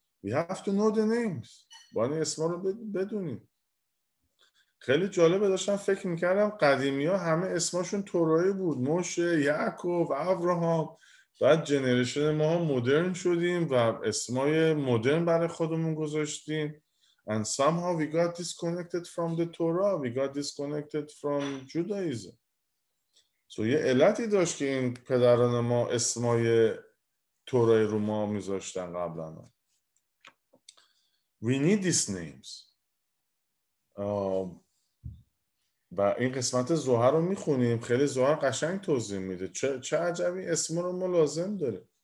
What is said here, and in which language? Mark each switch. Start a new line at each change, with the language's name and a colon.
English: We have to know the names.
Persian: باید اسما رو بدونیم. خیلی جالبه، داشتم فکر میکردم قدیمی ها همه اسماشون تورایی بود، موشه، یعقوب، ابراهام. بعد جنریشن ما ها مدرن شدیم و اسمای مدرن برای خودمون گذاشتیم.
English: And somehow we got disconnected from the Torah. We got disconnected from Judaism.
Persian: So یه علتی داشت که این پدران ما اسمای تورایی رو ما میذاشتن قبلا.
English: We need these names.
Persian: و این قسمت زهر رو میخونیم. خیلی زهر قشنگ توضیح میده چه عجبی اسم رو ما لازم داره.